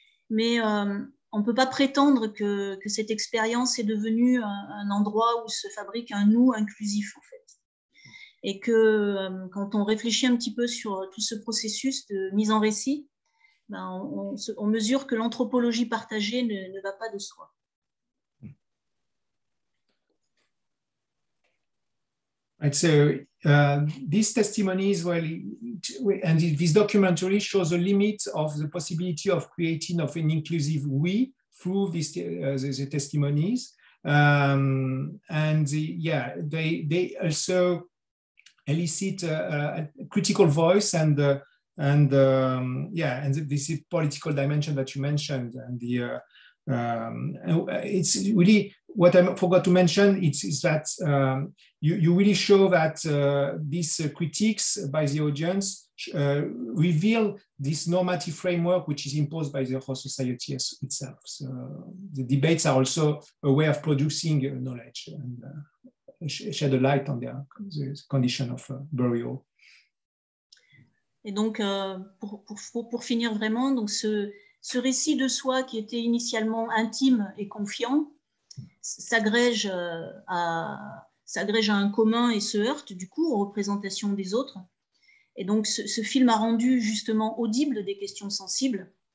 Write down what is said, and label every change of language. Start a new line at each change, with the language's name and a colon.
French: Mais on ne peut pas prétendre que cette expérience est devenue un endroit où se fabrique un nous inclusif, en fait. Et que quand on réfléchit un petit peu sur tout ce processus de mise en récit, on mesure que l'anthropologie partagée ne va pas de soi.
English: And so these testimonies, and this documentary shows the limit of the possibility of creating of an inclusive we through the testimonies. They also elicit a critical voice and this is political dimension that you mentioned, and the It's really what I forgot to mention. It's that you really show that these critiques by the audience reveal this normative framework which is imposed by the whole society as itself. So the debates are also a way of producing knowledge and shed a light on the condition of burial.
French: Et donc, pour finir vraiment, donc ce récit de soi qui était initialement intime et confiant s'agrège à un commun et se heurte, du coup, aux représentations des autres. Et donc, ce film a rendu justement audible des questions sensibles.